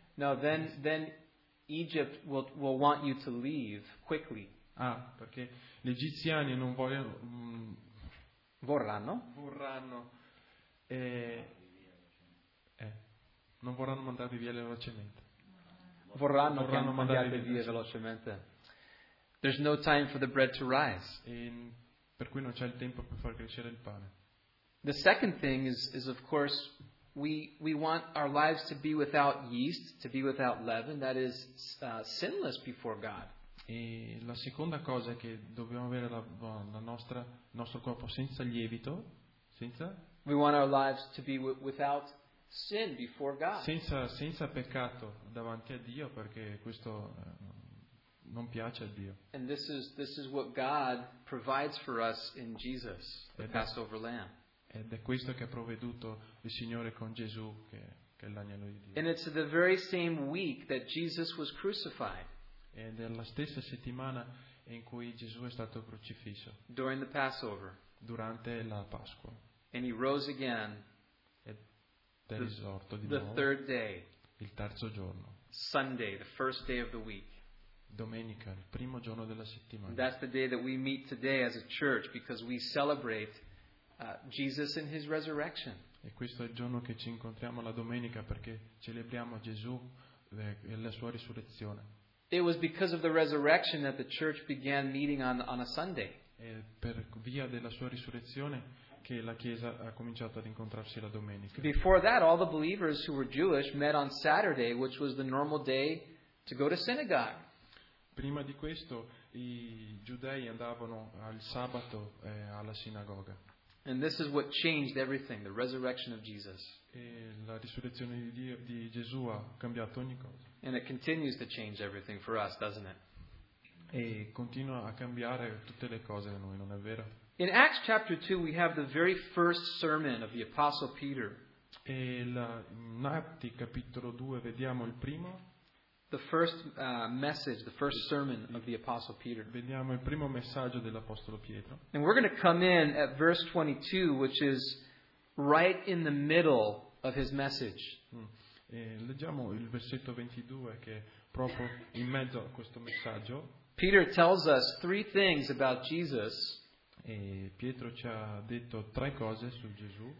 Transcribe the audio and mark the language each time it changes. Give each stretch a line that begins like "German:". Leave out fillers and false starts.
English: Now then Egypt will want you to leave quickly.
Italian: Ah, perché gli egiziani non vogliono non vorranno mandarvi via velocemente. Vorranno mandarvi via velocemente.
English: There's no time for the bread to rise.
Italian: Per cui non c'è il tempo per far crescere il pane.
English: The second thing is of course we want our lives to be without yeast, to be without leaven, that is sinless before God.
Italian: E la seconda cosa è che dobbiamo avere il nostro corpo senza lievito, senza.
English: We want our lives to be without sin before God.
Italian: Senza peccato davanti a Dio, perché questo non piace a Dio.
English: And this is what God provides for us in Jesus, the Passover Lamb.
Italian: Ed è questo che ha provveduto il Signore con Gesù, che è l'agnello di Dio.
English: And it's the very same week that Jesus was crucified.
Italian: E nella stessa settimana in cui Gesù è stato crocifisso.
English: During the Passover.
Italian: Durante la Pasqua.
English: And he rose again.
Italian: Ed è risorto di nuovo.
English: The third day.
Italian: il terzo giorno.
English: Sunday, the first day of the week.
Italian: Domenica, il primo giorno della settimana.
English: That's the day that we meet today as a church because we celebrate Jesus and his resurrection.
Italian: E questo è il giorno che ci incontriamo la domenica perché celebriamo Gesù e la sua risurrezione.
English: It was because of the resurrection that the church began meeting on a Sunday.
Italian: E per via della sua risurrezione che la chiesa ha cominciato ad incontrarsi la domenica.
English: Before that, all the believers who were Jewish met on Saturday, which was the normal day to go to synagogue.
Italian: Prima di questo, i giudei andavano al sabato alla sinagoga.
English: And this is what changed everything, the resurrection of Jesus.
Italian: E la risurrezione di Gesù ha cambiato ogni cosa.
English: And it continues to change everything for us, doesn't it?
Italian: E continua a cambiare tutte le cose a noi, non è vero?
English: In Acts chapter 2 we have the very first sermon of the apostle Peter.
Italian: E in Atti capitolo 2 vediamo il primo
English: the first message, the first sermon of the apostle Peter.
Italian: Vediamo il primo messaggio dell'apostolo Pietro.
English: And we're going to come in at verse 22, which is right in the middle of his message.
Italian: E leggiamo il versetto 22 che è proprio in mezzo a questo messaggio.
English: Peter tells us three things about Jesus.
Italian: E Pietro ci ha detto tre cose su Gesù.